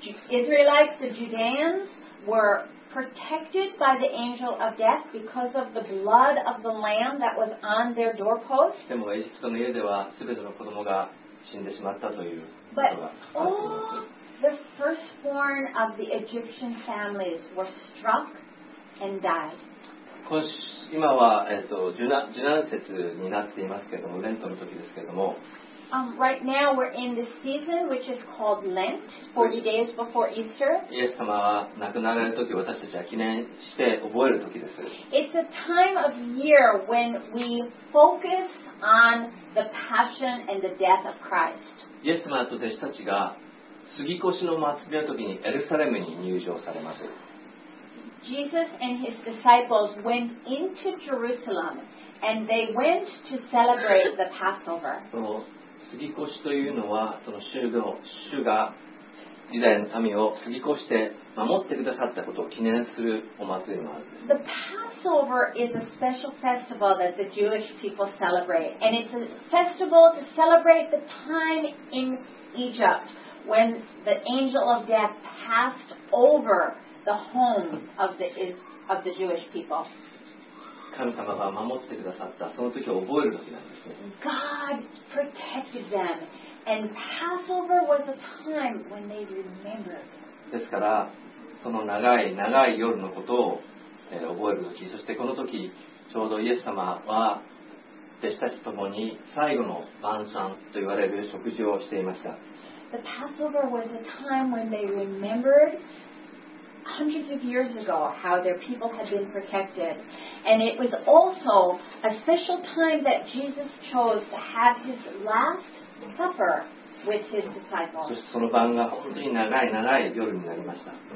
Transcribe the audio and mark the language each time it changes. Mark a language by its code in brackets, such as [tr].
[en] Israelites, the Judeans, were protected by the angel of death because of the blood of the lamb that was on their doorpost. [ja] でもエジプトの家では全ての子供が死んでしまったということがあります。 [en] But all the firstborn of the Egyptian families were struck and died. [ja] 今は、17節になっていますけれども、レントの時ですけれども。 [en] Right now we're in the season which is called Lent, 40 days before Easter. [ja] イエス様は亡くなられる時、私たちは記念して覚える時です。 [en] It's a time of year when we focus on the passion and the death of Christ. [ja] イエス様と弟子たちが過ぎ越しの祭りの時にエルサレムに入場されます。 [en] Jesus and his disciples went into Jerusalem and they went to celebrate the Passover. [ja] その過ぎ越しというのは、その主がユダヤの民を過ぎ越して守ってくださったことを記念するお祭りもあるんです。 [en] The Passover is a special festival that the Jewish people celebrate, and it's a festival to celebrate the time in Egypt when the angel of death passed over. The home of the Jewish people. [ja] 神様が守ってくださったその時を覚える時なんですね。 [en] God protected them, and Passover was a time when they remembered. [ja] ですからその長い長い夜のことを、覚える時、そしてこの時ちょうどイエス様は弟子たちともに最後の晩餐といわれる食事をしていました。 [en] The Passover was a time when they remembered. Hundreds of years ago, how their people had been protected. And it was also a special time that Jesus chose to have his last supper with his disciples. [ja] そしてその晩が本当に長い長い夜になりました。